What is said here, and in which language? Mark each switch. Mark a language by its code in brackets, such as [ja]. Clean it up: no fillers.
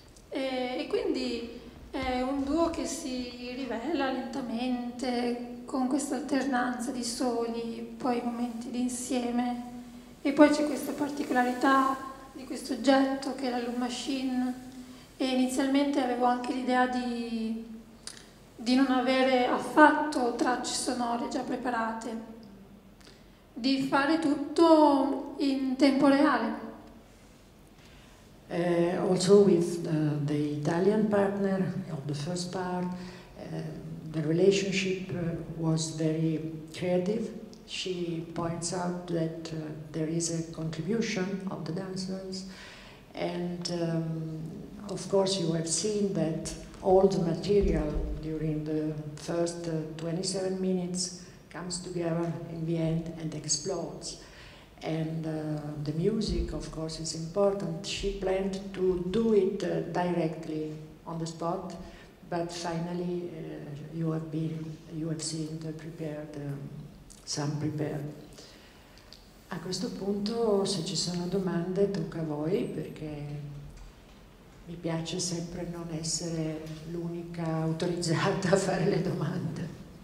[it] E quindi è un duo che si rivela lentamente con questa alternanza di soli, poi momenti di insieme, e poi c'è questa particolarità di questo oggetto che è la Loom Machine. E inizialmente avevo anche l'idea di non avere affatto tracce sonore già preparate, di fare tutto in tempo reale. [en] Also with the Italian partner of the first part, the relationship was very creative. She points out that there is a contribution of the dancers, and of course you have seen that all the material during the first 27 minutes comes together in the end and explodes. And the music, of course, is important. She planned to do it directly on the spot, but finally you have seen the prepared, some prepared. [it] A questo punto, se ci sono domande, tocca a voi, perché mi piace sempre non essere l'unica autorizzata a fare le domande.